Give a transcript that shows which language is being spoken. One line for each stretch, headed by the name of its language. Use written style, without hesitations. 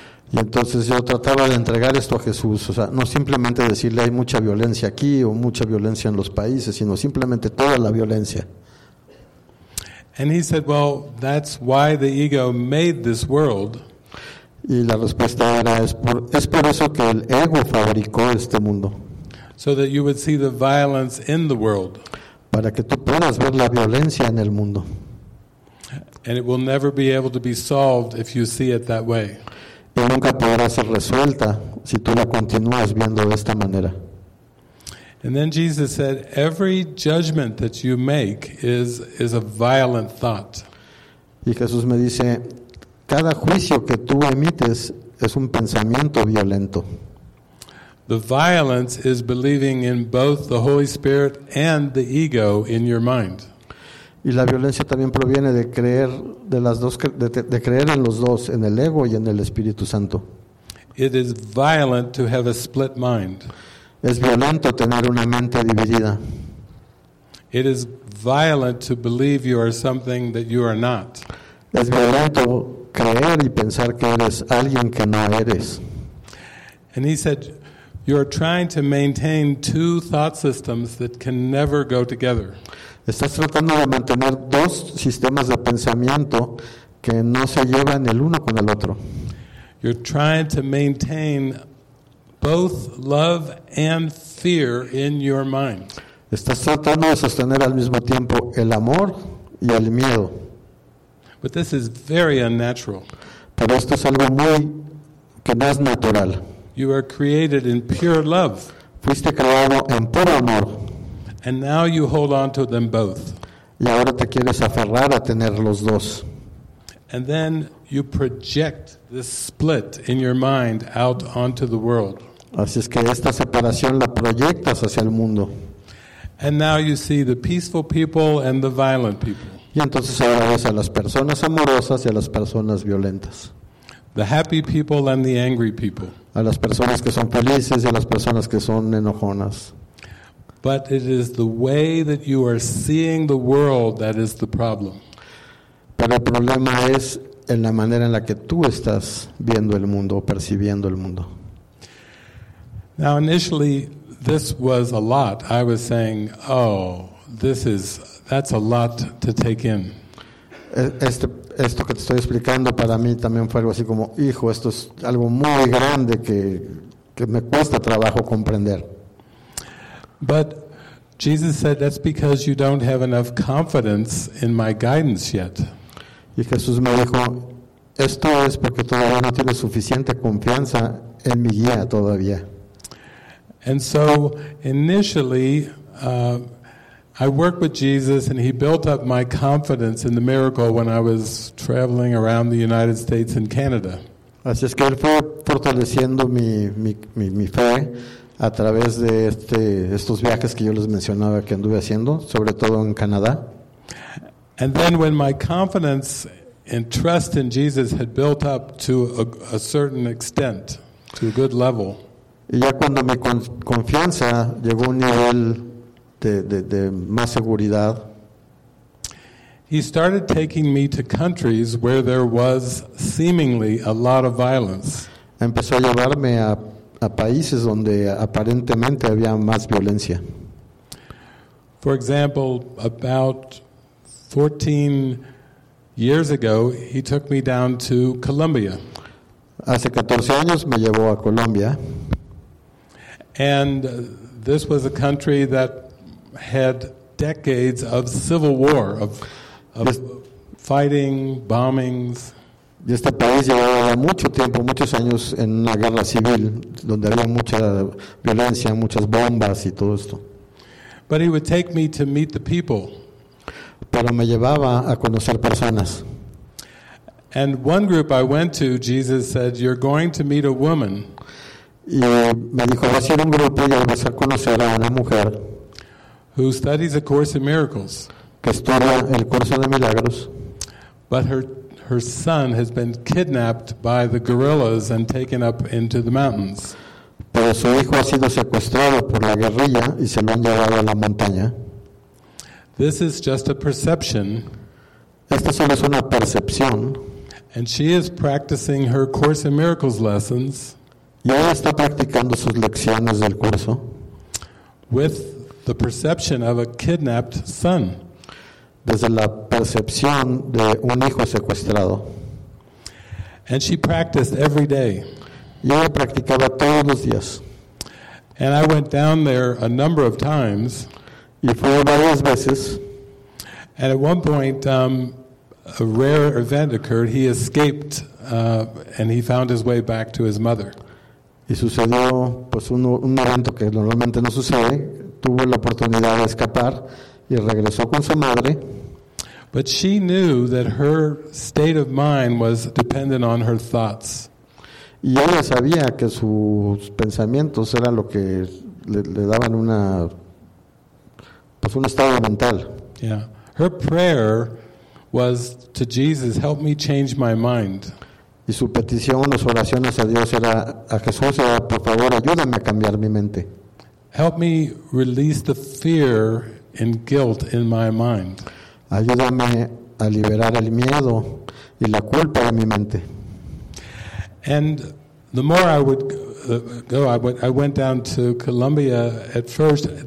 Spanish: Y entonces yo trataba de entregar esto a Jesús, o sea, no simplemente decirle hay mucha violencia aquí o mucha violencia en los países, sino simplemente toda la violencia.
English: And he said, well, that's why the ego made this world.
Spanish: Y la respuesta era, es por eso que el ego fabricó este mundo.
English: So that you would see the violence in the world.
Spanish: Para que tú puedas ver la violencia en el mundo.
English: And it will never be able to be solved if you see it that way.
Spanish: Y nunca podrá ser resuelta si tú la continúas viendo de esta manera.
English: And then Jesus said, every judgment that you make is a violent thought.
Spanish: Y Jesús me dice, cada juicio que tú emites es un pensamiento violento.
English: The violence is believing in both the Holy Spirit and the ego in your mind.
Spanish: Y la violencia también proviene de creer de las dos de creer en los dos, en el ego y en el Espíritu Santo.
English: It is violent to have a split mind.
Spanish: Es violento tener una mente dividida.
English: It is violent to believe you are something that you are not.
Spanish: Es violento creer y pensar que eres alguien que no eres.
English: And he said, you are trying to maintain two thought systems that can never go together.
Spanish: Estás tratando de mantener dos sistemas de pensamiento que no se llevan el uno con el otro.
English: You're trying to maintain both love and fear in your mind.
Spanish: Estás tratando de sostener al mismo tiempo el amor y el miedo.
English: But this is very unnatural.
Spanish: Pero esto es algo muy que no es natural.
English: You are created in pure love.
Spanish: Fuiste creado en puro amor.
English: And now you hold on to them both.
Spanish: Y ahora te quieres aferrar a tener los dos.
English: And then you project this split in your mind out onto the world.
Spanish: Así es que esta separación la proyectas hacia el mundo.
English: And now you see the peaceful people and the violent people.
Spanish: Y entonces ahora ves a las personas amorosas y a las personas violentas.
English: The happy people and the angry people.
Spanish: A las personas que son felices y a las personas que son enojonas.
English: But it is the way that you are seeing the world that is the problem.
Spanish: Pero el problema es en la manera en la que tú estás viendo el mundo, percibiendo el mundo.
English: Now initially this was a lot. I was saying, oh, that's a lot to take in.
Spanish: Esto que te estoy explicando para mí también fue algo así como, hijo, esto es algo muy grande que me cuesta trabajo comprender.
English: But Jesus said, that's because you don't have enough confidence in my guidance yet.
Spanish: Y Jesús me dijo, esto es porque todavía no tienes suficiente confianza en mi guía todavía.
English: And so initially, I worked with Jesus and he built up my confidence in the miracle when I was traveling around the United States and Canada.
Spanish: Así es que él fue fortaleciendo mi fe a través de estos viajes que yo les mencionaba que anduve haciendo, sobre todo en Canadá.
English: And then when my confidence and trust in Jesus had built up to a certain extent, to a good level.
Spanish: Y ya cuando mi confianza llegó a un nivel de más seguridad,
English: he started taking me to countries where there was seemingly a lot of violence.
Spanish: Empezó a llevarme a países donde aparentemente había más violencia.
English: For example, about 14 years ago, he took me down to Colombia.
Spanish: Hace 14 años me llevó a Colombia.
English: And this was a country that had decades of civil war, of fighting, bombings.
Spanish: Y este país llevaba mucho tiempo, muchos años en una guerra civil, donde había mucha violencia, muchas bombas y todo esto.
English: But he would take me to meet the people.
Spanish: Pero me llevaba a conocer personas.
English: And one group I went to, Jesus said, "You're going to meet a woman."
Spanish: Y me dijo, vas a ir a un grupo y vas a conocer a una mujer
English: who studies a course in miracles.
Spanish: Que estudia el curso de milagros.
English: But her son has been kidnapped by the guerrillas and taken up into the mountains.
Spanish: Pero su hijo ha sido secuestrado por la guerrilla y se lo han llevado a la montaña.
English: This is just a perception.
Spanish: Esta solo es una percepción.
English: And she is practicing her Course in Miracles lessons.
Spanish: Y ella está practicando sus lecciones del curso.
English: With the perception of a kidnapped son.
Spanish: Desde la percepción de un hijo secuestrado.
English: And she practiced every day.
Spanish: Y ella practicaba todos los días.
English: And I went down there a number of times.
Spanish: Y fui varias veces.
English: And at one point, a rare event occurred. He escaped, and he found his way back to his mother.
Spanish: Y sucedió pues un evento que normalmente no sucede. Tuvo la oportunidad de escapar y regresó con su madre.
English: But she knew that her state of mind was dependent on her thoughts.
Spanish: Y ella sabía que sus pensamientos era lo que le daban una pues un estado mental.
English: Yeah. Her prayer was to Jesus, "Help me change my mind."
Spanish: Y su petición o su oración a Dios era a Jesús, era, "Por favor, ayúdame a cambiar mi mente."
English: Help me release the fear and guilt in my mind.
Spanish: Ayúdame a liberar el miedo y la culpa de mi mente.
English: And the more I would go, I went down to Colombia at first.